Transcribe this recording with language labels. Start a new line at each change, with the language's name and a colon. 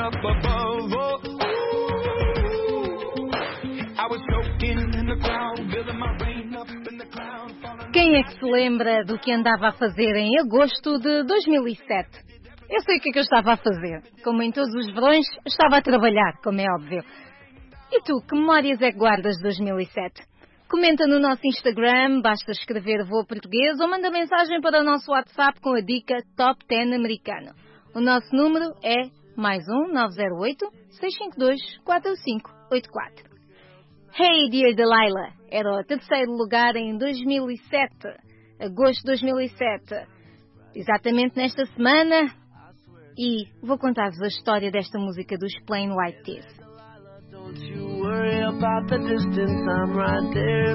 English: above, oh, ooh, your spirit up above, oh, ooh, I was choking in the crowd, building my brain up in the cloud.
Portuguese: Quem é que se lembra do que andava a fazer em agosto de 2007? Eu sei o que é que eu estava a fazer. Como em todos os verões, estava a trabalhar, como é óbvio. E tu, que memórias é que guardas de 2007? Comenta no nosso Instagram, basta escrever Voa Português ou manda mensagem para o nosso WhatsApp com a dica Top 10 Americano. O nosso número é +1 908 652 4584.
English: Hey, dear Delilah,
Portuguese: era o terceiro lugar em 2007, agosto de 2007, exatamente nesta semana, e vou contar-vos a história desta música dos Plain White Tees.
English: Don't you worry about the distance, I'm right there.